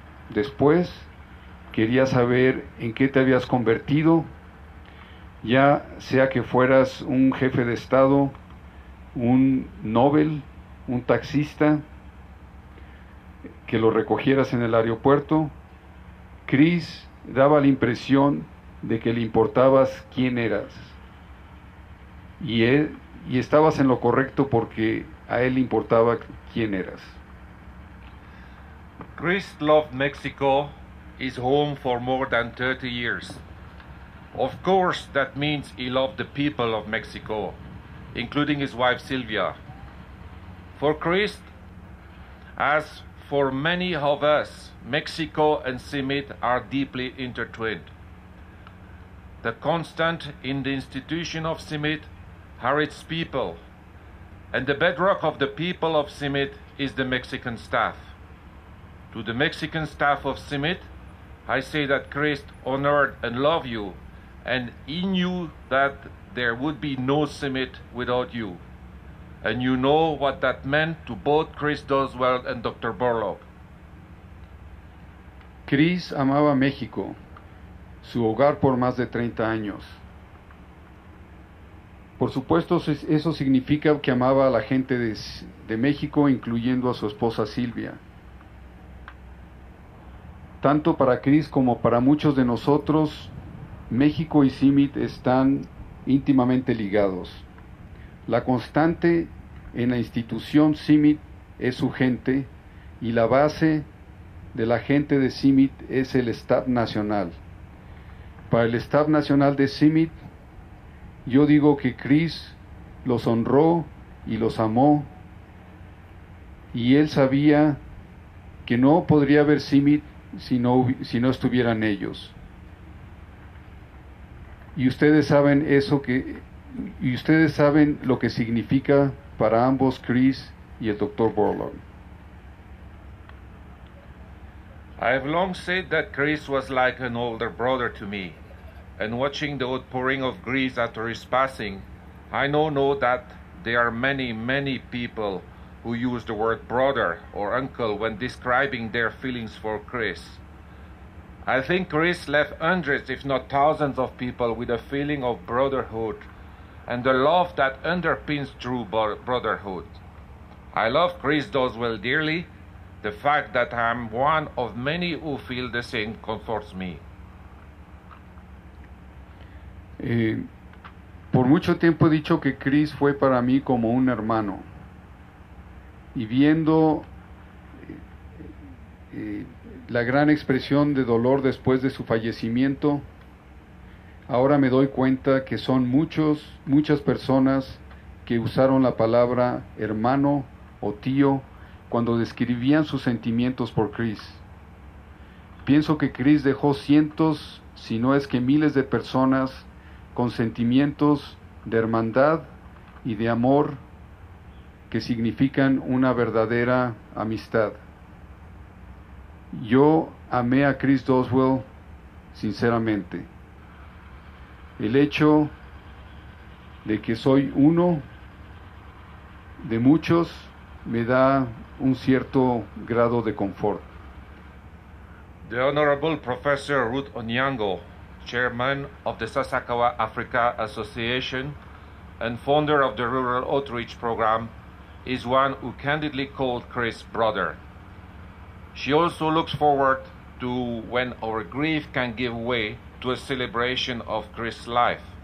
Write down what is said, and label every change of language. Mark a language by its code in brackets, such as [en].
[es] Después, quería saber en qué te habías convertido, ya sea que fueras un jefe de Estado, un Nobel, un taxista, que lo recogieras en el aeropuerto. Chris daba la impresión de que le importabas quién eras. Y estabas en lo correcto porque a él importaba quién eras. [en] Chris loved Mexico, his home, for more than 30 years. Of course, that means he loved the people of Mexico, including his wife Sylvia. For Chris, as for many of us, Mexico and Semit are deeply intertwined. The constant in the institution of Semit are its people, and the bedrock of the people of Simit is the Mexican staff. To the Mexican staff of Simit, I say that Christ honored and loved you, and he knew that there would be no Simit without you. And you know what that meant to both Chris Doswell and Dr. Borlaug. [es] Chris amaba México, su hogar por más de 30 años. Por supuesto, eso significa que amaba a la gente de México, incluyendo a su esposa Silvia. Tanto para Chris como para muchos de nosotros, México y Simit están íntimamente ligados. La constante en la institución Simit es su gente, y la base de la gente de Simit es el Staff Nacional. Para el Staff Nacional de Simit, yo digo que Chris los honró y los amó, y él sabía que no podría haber Simit si no estuvieran ellos. Y ustedes saben lo que significa para ambos Chris y el Dr. Borlaug. [en] I have long said that Chris was like an older brother to me, and watching the outpouring of grief after his passing, I now know that there are many, many people who use the word brother or uncle when describing their feelings for Chris. I think Chris left hundreds, if not thousands, of people with a feeling of brotherhood and the love that underpins true brotherhood. I love Chris Doswell dearly. The fact that I'm one of many who feel the same comforts me. [es] Por mucho tiempo he dicho que Chris fue para mí como un hermano. Y viendo la gran expresión de dolor después de su fallecimiento, ahora me doy cuenta que son muchas personas que usaron la palabra hermano o tío cuando describían sus sentimientos por Chris. Pienso que Chris dejó cientos, si no es que miles de personas con sentimientos de hermandad y de amor que significan una verdadera amistad. Yo amé a Chris Doswell sinceramente. El hecho de que soy uno de muchos me da un cierto grado de confort. [en] The Honorable Professor Ruth Onyango, Chairman of the Sasakawa Africa Association and founder of the Rural Outreach Program, is one who candidly called Chris brother. She also looks forward to when our grief can give way to a celebration of Chris' life.